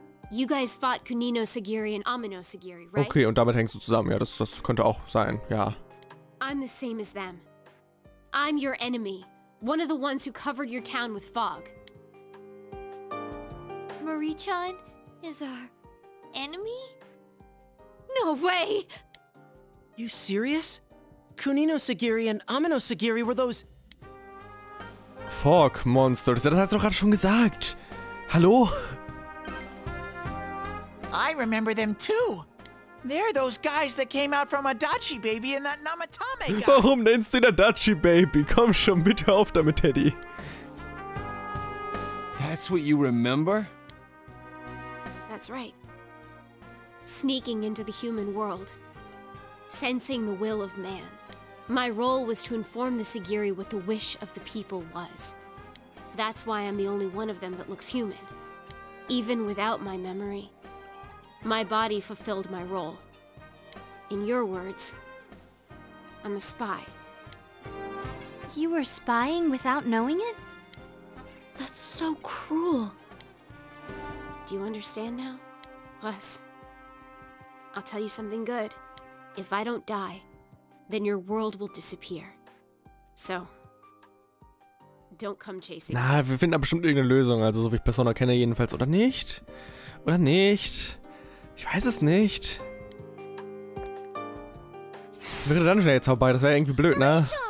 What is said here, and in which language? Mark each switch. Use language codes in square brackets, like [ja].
[en] You guys fought Kunino Sagiri and Amino Sagiri, right? [de] Okay, und damit hängst du zusammen. Ja, das könnte auch sein, ja. [en] I'm the same as them. I'm your enemy. One of the ones who covered your town with fog. Marie-chan is our enemy? No way! You serious? Kunino Sagiri and Amino Sagiri were those... [de] Fog Monster, das hat's doch gerade schon gesagt. Hallo? [en] I remember them too. They're those guys that came out from Adachi Baby and that Namatame guy. [de] Warum nennst du den Adachi Baby? Komm schon, bitte auf damit, Teddy. [en] That's what you remember? That's right. Sneaking into the human world, sensing the will of man. My role was to inform the Sagiri what the wish of the people was. That's why I'm the only one of them that looks human. Even without my memory, my body fulfilled my role. In your words, I'm a spy. You were spying without knowing it? That's so cruel. Do you understand now? Plus, I'll tell you something good. If I don't die, then your world will disappear. So, don't come chasing. [de] Na, wir finden da bestimmt irgendeine Lösung, also so wie ich Persona kenne jedenfalls. Oder nicht? Oder nicht? Ich weiß es nicht. Jetzt wäre der Dungeon jetzt vorbei, das wäre irgendwie blöd, ne?